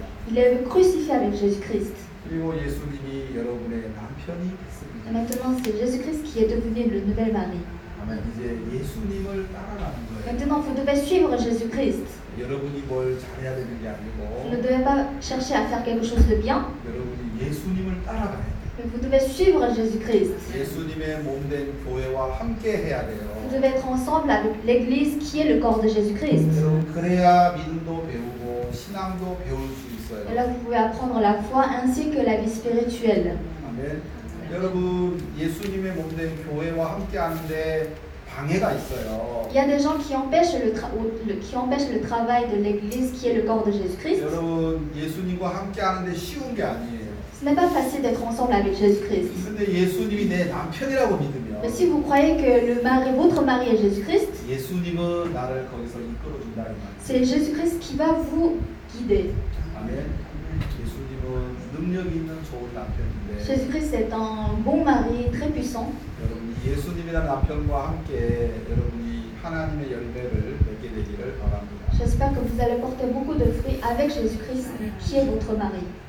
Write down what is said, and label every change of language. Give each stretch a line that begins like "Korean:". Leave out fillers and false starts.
French: Il est crucifié avec Jésus-Christ. Et maintenant, c'est Jésus-Christ qui est devenu le nouvel mari.
Korean: 이제 예수님을 따라가는 거예요.
French: Maintenant, vous devez suivre Jésus-Christ.
Korean: 여러분이 뭘 잘해야 되는 게 아니고.
French: Vous ne devez pas chercher à faire quelque chose de bien.
Korean: 여러분이 예수님을 따라가야 돼요.
French: Vous devez suivre Jésus-Christ.
Korean: 예수님의 몸된 교회와 함께 해야 돼요.
French: Vous devez être ensemble avec l'Église qui est le corps de Jésus-Christ.
Korean: 여러분 그래야 믿음도 배우고 신앙도 배울 수 있어요.
French: Et là, vous pouvez apprendre la foi ainsi que la vie spirituelle.
Korean: 아멘. 여러분 예수님의 몸된 교회와 함께하는데 방해가 있어요.
French: Il y a des gens qui empêchent le travail de l'Église qui est le corps de Jésus-Christ.
Korean: 여러분 예수님과 함께하는데 쉬운 게 아니에요.
French: Ce n'est pas facile d'être ensemble avec Jésus-Christ.
Korean: 근데 예수님이 내 남편이라고 믿으면.
French: Mais si vous croyez que votre mari est Jésus-Christ.
Korean: 예수님은 나를 거기서 이끌어준다 이 말.
French: C'est Jésus-Christ qui va vous guider.
Korean: 아멘. 예수님은 능력 있는 좋은 남편.
French: Jésus-Christ est un bon mari, très puissant.
Korean: 여러분, 예수님이랑 남편과 함께 여러분이 하나님의 열매를 맺게 되기를 바랍니다.
French: J'espère que vous allez porter beaucoup de fruits avec Jésus-Christ, qui est votre mari.